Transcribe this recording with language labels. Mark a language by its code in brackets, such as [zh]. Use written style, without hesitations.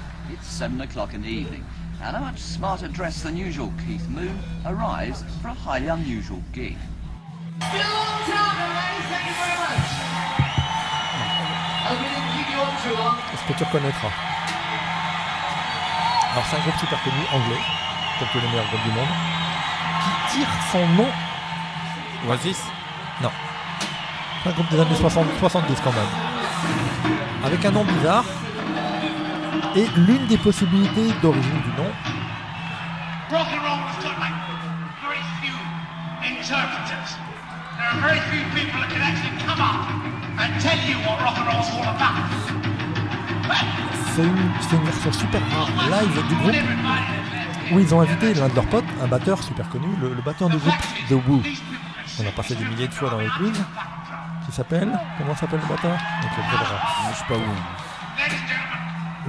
[en] It's 7 o'clock in the evening. And a much smarter dress than usual, Keith Moon arrives for a highly unusual gig. Still on time, ladies, thank you very much. I'll be able to keep you on tour. [fr] Est-ce que tu reconnaîtras? Alors c'est un groupe super connu anglais, comme le meilleur groupe du monde, qui tire son nom. Oasis? Non. Un groupe des années 70 quand même. Avec un nom bizarre. Et l'une des possibilités d'origine du nom. [en] Rock and roll has got like very few interpreters. There are very few people that can actually come up and tell you what rock and roll's all about. [fr] C'est une version super live du groupe où ils ont invité l'un de leurs potes, un batteur super connu, le batteur du groupe The Who. On a passé des milliers de fois dans les quiz. Qui s'appelle? Comment s'appelle le batteur? Donc, je sais pas où.